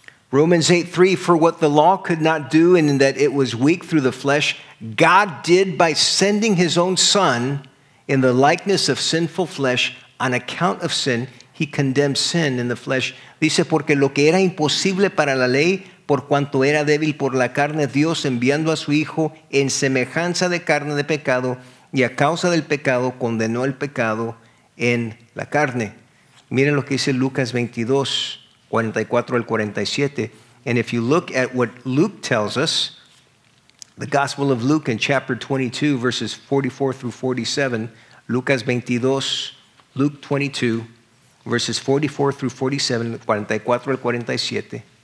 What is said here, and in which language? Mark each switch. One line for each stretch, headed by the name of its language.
English: Romans 8:3, for what the law could not do in that it was weak through the flesh, God did by sending his own son in the likeness of sinful flesh on account of sin. He condemned sin in the flesh.
Spanish: Dice, porque lo que era imposible para la ley, por cuanto era débil por la carne, Dios enviando a su hijo en semejanza de carne de pecado y a causa del pecado, condenó el pecado en la carne. Miren lo que dice Lucas 22. 44 al 47.
English: And if you look at what Luke tells us, the Gospel of Luke in chapter 22, verses 44 through 47, Lucas 22, Luke 22, verses 44 through 47, 44 al 47.